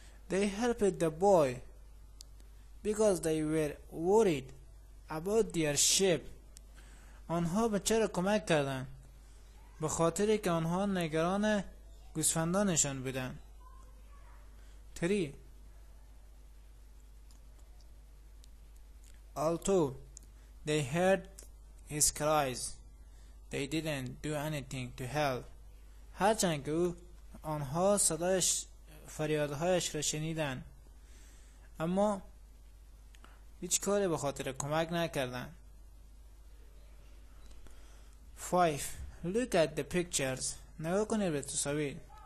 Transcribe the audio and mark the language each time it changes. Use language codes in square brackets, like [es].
[en] They helped the boy because they were worried about their sheep. [fa] آنها به چرا کمک کردن؟ به خاطر که آنها نگران گوسفندانشان بودن 3 [en] Although they heard his cries, they didn't do anything to help. [fa] هرچند که آنها صدایش فریادهایش را شنیدند، اما هیچ کاری به خاطر کمک نکردند. [en] 5. Look at the pictures. [fa] نگاه کنید به تصاویر.